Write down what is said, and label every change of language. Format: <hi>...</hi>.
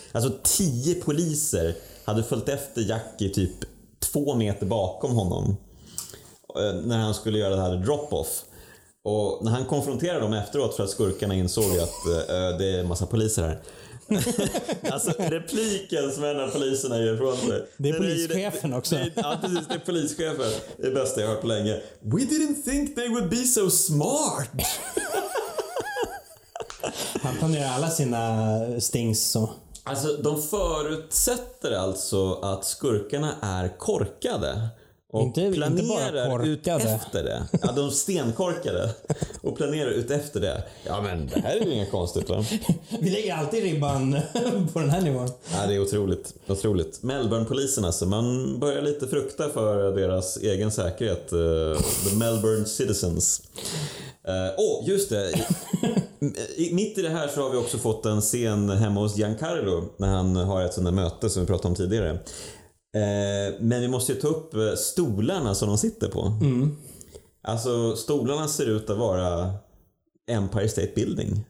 <sv>Alltså 10 poliser hade följt efter Jackie typ 2 meter bakom honom när han skulle göra det här drop-off. Och när han konfronterade dem efteråt för att skurkarna insåg att det är en massa poliser här. Alltså repliken som en av poliserna ger från sig. Det är polischefen också. Ja, precis. Det är polischefen. Det är bästa jag hört på länge.</sv> <en>We didn't think they would be so smart.</en> <sv>Han planerar alla sina stings så. Alltså de förutsätter alltså att skurkarna är korkade och planerar ut efter det. Ja, de stenkorkade och planerar ut efter det. Ja, men det här är ju inga konstigt, va? Vi lägger alltid ribban på den här nivån. Ja, det är otroligt, otroligt. Melbourne-polisen alltså, man börjar lite frukta för deras egen säkerhet.</sv> <en>The Melbourne citizens.</en> <sv>Just det. Mitt i det här så har vi också fått en scen hemma hos Giancarlo när han har ett sånt där möte som vi pratade om tidigare. Men vi måste ju ta upp stolarna som de sitter på. Mm. Alltså stolarna ser ut att vara Empire State Building.</sv>